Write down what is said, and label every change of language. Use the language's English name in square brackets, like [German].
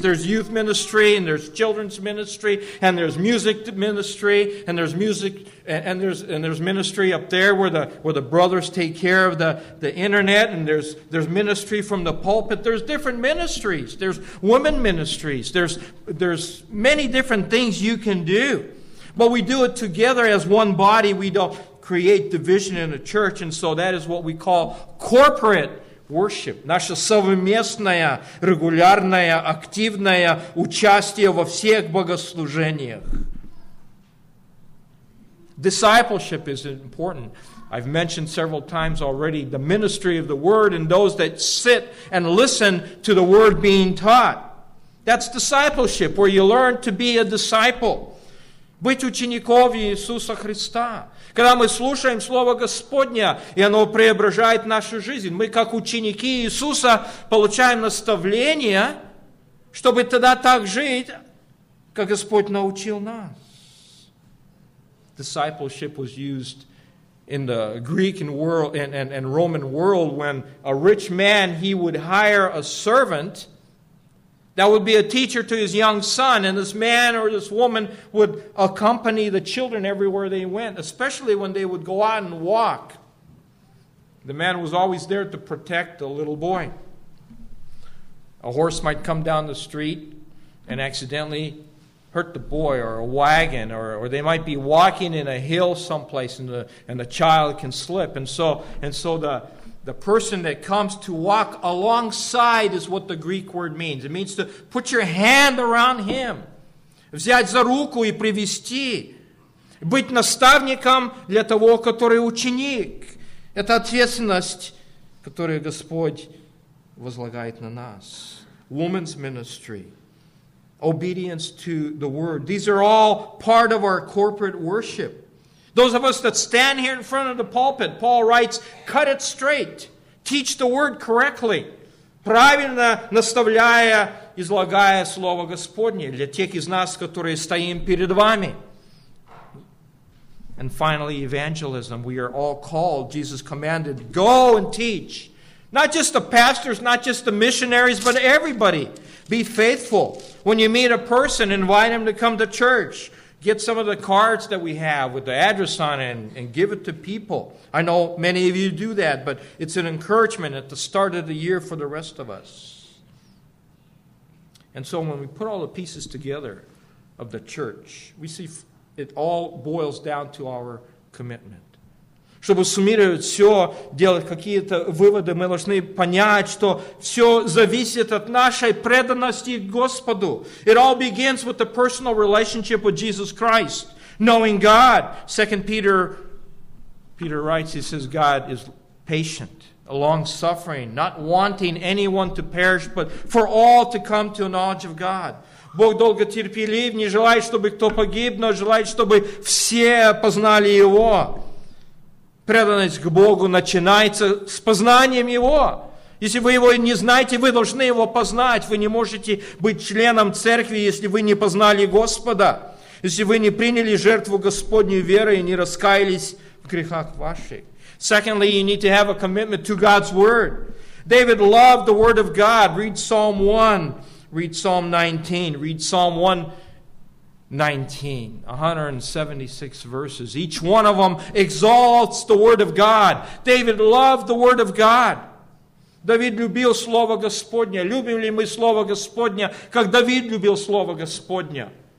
[English] There's youth ministry, and there's children's ministry, and there's music ministry, and there's music, and there's ministry up there where the brothers take care of the internet, and there's ministry from the pulpit. There's different ministries. There's women ministries. There's many different things you can do. But we do it together as one body. We don't create division in the church, and so that is what we call corporate worship. [Russian] Наше совместное, регулярное, активное участие во всех богослужениях. [English] Discipleship is important. I've mentioned several times already the ministry of the word and those that sit and listen to the word being taught. That's discipleship, where you learn to be a disciple. [Russian] Быть учеником Иисуса Христа. Когда мы слушаем Слово Господне, и оно преображает нашу жизнь, мы как ученики Иисуса получаем наставление, чтобы тогда так жить, как Господь научил нас. [English] Discipleship was used in the Greek and world and Roman world when a rich man, he would hire a servant that would be a teacher to his young son, and this man or this woman would accompany the children everywhere they went, especially when they would go out and walk. The man was always there to protect the little boy. A horse might come down the street and accidentally hurt the boy, or a wagon, or they might be walking in a hill someplace, and the child can slip. The person that comes to walk alongside is what the Greek word means. It means to put your hand around him. [Russian] Взять за руку и привести. Быть наставником для того, который ученик. Это ответственность, которую Господь возлагает на нас. [English] Woman's ministry. Obedience to the word. These are all part of our corporate worship. Those of us that stand here in front of the pulpit, Paul writes, cut it straight. Teach the word correctly. [Russian] Правильно наставляя, излагая Слово Господне для тех из нас, которые стоим перед вами. [English] And finally, evangelism. We are all called. Jesus commanded, go and teach. Not just the pastors, not just the missionaries, but everybody. Be faithful. When you meet a person, invite him to come to church. Get some of the cards that we have with the address on it and give it to people. I know many of you do that, but it's an encouragement at the start of the year for the rest of us. And so when we put all the pieces together of the church, we see it all boils down to our commitment. [Russian] Чтобы суммировать все, делать какие-то выводы, мы должны понять, что все зависит от нашей преданности Господу. [English] It all begins with the personal relationship with Jesus Christ, knowing God. Second Peter writes, he says, God is patient, long-suffering, not wanting anyone to perish, but for all to come to a knowledge of God. [Russian] Бог долготерпелив, не желает, чтобы кто погиб, но желает, чтобы все познали Его. Преданность к Богу начинается с познанием Его. Если вы Его не знаете, вы должны Его познать. Вы не можете быть членом церкви, если вы не познали Господа. Если вы не приняли жертву Господню верой и не раскаялись в грехах ваших. [English] Secondly, you need to have a commitment to God's Word. David loved the Word of God. Read Psalm 1. Read Psalm 19. Read Psalm 1. 19, 176 verses. Each one of them exalts the word of God. David loved the word of God. [Russian] David любил Слово Господне. Любим ли мы Слово Господне, как Давид любил Слово Господне?